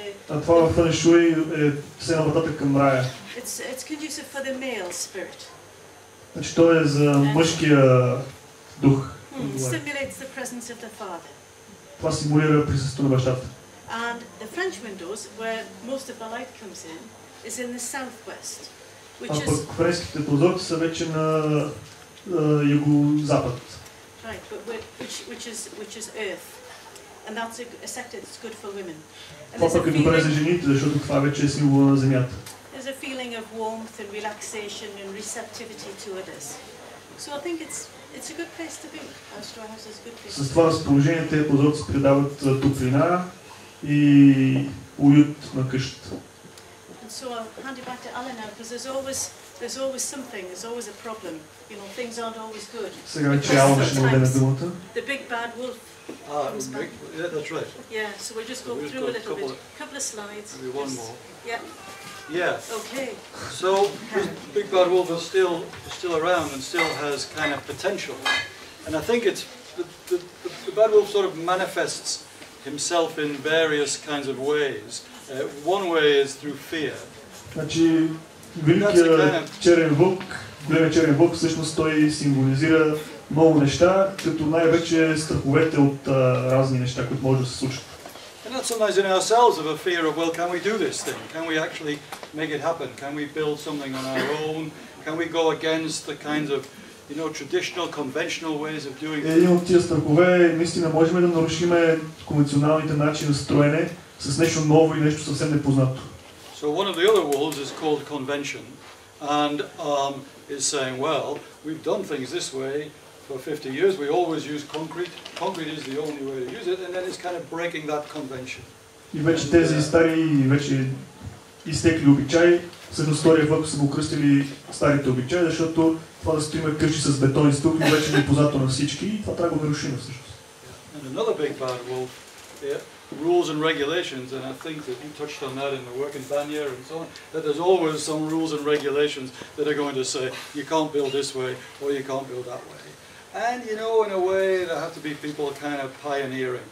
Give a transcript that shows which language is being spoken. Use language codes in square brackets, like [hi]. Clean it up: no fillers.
[bg] А това във Фен Шуй е сега вратата към рая. [en] It's conducive for the male spirit. [bg] Значи то е за мъжкия дух. [en] Stimulates the presence of the father. [bg] Това симулира присъствието на бащата. [en] And the French windows, where most of the light comes in, is in the southwest. [bg] А пък френските прозорци са вече на юго-запад. [en] Right, but which is earth. And that's a sector that's good for women. [bg] Това пък е добре за жените, защото това вече е символ на земята. [en] There's a feeling of warmth and relaxation and receptivity to others. So I think it's a good place to be. Our straw house is a good place. [bg] С това разположение тези прозорци предават топлина и уют на къщата. [en] So I'll hand it back to Alan now, because there's always something, there's always a problem. You know, things aren't always good. The big bad wolf comes back. Yeah, that's right. Yeah, so we'll just go through a little bit. Couple of slides. Maybe one more. Yeah. Yeah. Okay. So the big bad wolf is still around and still has kind of potential. And I think it's the bad wolf sort of manifests himself in various kinds of ways. One way is through fear. [bg] Значи великият черен вълк, големият черен вълк всъщност той символизира много неща, като най-вече страховете от разни неща, които може да се случат. [en] And that's sometimes in ourselves of a fear of, well, can we do this thing? Can we actually make it happen? Can we build something on our own? Can we go against the kinds of, you know, traditional, conventional ways of doing it? [bg] Един от тия страхове е, наистина можем да нарушим конвенционалните начини на строене, с нещо ново и нещо съвсем непознато. [en] So one of the other wolves is called convention and is saying, well, we've done things this way for 50 years, we always use concrete. Concrete is the only way to use it, and then it's kind of breaking that convention. [bg] И вече тези стари и вече изтекли обичаи, всъщност втория вълк са го кръстили старите обичаи, защото това да стоим къщи с бетон и стук, вече непознато на всички и това трябва да го нарушим всъщност. [en] And another big bad wolf, rules and regulations, and I think that you touched on that in the work in Banyere and so on, that there's always some rules and regulations that are going to say you can't build this way or you can't build that way. And you know, in a way, there have to be people kind of pioneering.